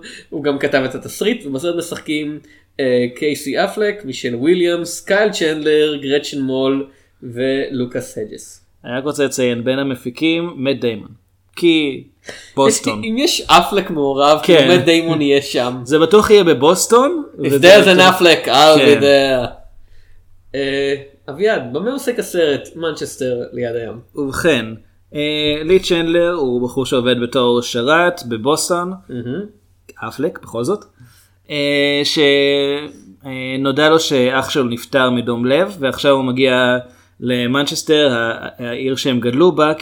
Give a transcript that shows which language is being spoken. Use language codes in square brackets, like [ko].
[he] הוא גם כתב את התסריט, ובסרט משחקים קייסי אפלק, מישל וויליאמס, קייל צ'נדלר, גרצ'ן מול ולוקאס הג'ס. אני רק רוצה לציין, בין המפיקים, מט דיימון. כי בוסטון. אם יש אפלק מעורב, מט דיימון יהיה שם. זה בטוח יהיה בבוסטון. [en] If there's an אפלק, I'll be there. [he] אביעד, במה עוסק הסרט מנצ'סטר ליד הים? ובכן, לי צ'נדלר הוא בחור שעובד בתור שרת בבוסטון, אפלק בכל זאת, שנודע לו שאח שלו נפטר מדום לב, ועכשיו הוא מגיע למנצ'סטר, העיר שהם גדלו בה.